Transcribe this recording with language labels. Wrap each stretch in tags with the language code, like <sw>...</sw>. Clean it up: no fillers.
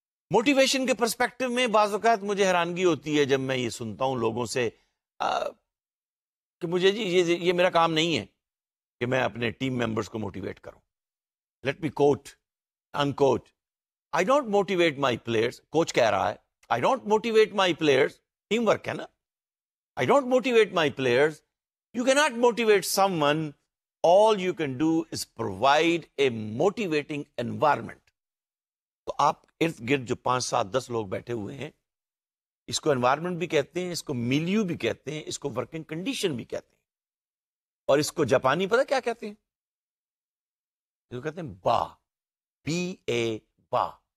<ur>Motivation کے perspective میں بعض اوقات مجھے حیرانگی ہوتی ہے جب میں یہ سنتا ہوں لوگوں سے کہ مجھے جی یہ میرا کام نہیں ہے کہ میں اپنے ٹیم ممبرس کو موٹیویٹ کروں.</ur> <en>let me quote unquote, I don't motivate my players,</en> <ur>coach کہہ رہا ہے,</ur> <en>I don't motivate my players,</en> <ur>team work ہے نا,</ur> <en>I don't motivate my players. You can not motivate someone, all you can do is provide a motivating environment.</en> <ur>تو آپ ارد گرد جو 5-7-10 لوگ بیٹھے ہوئے ہیں, اس کو انوائرمنٹ بھی کہتے ہیں, اس کو ملیو بھی کہتے ہیں, اس کو ورکنگ کنڈیشن بھی کہتے ہیں, اور اس کو جاپانی پتا کیا کہتے ہیں, اس کو کہتے ہیں با, بی اے با.</ur>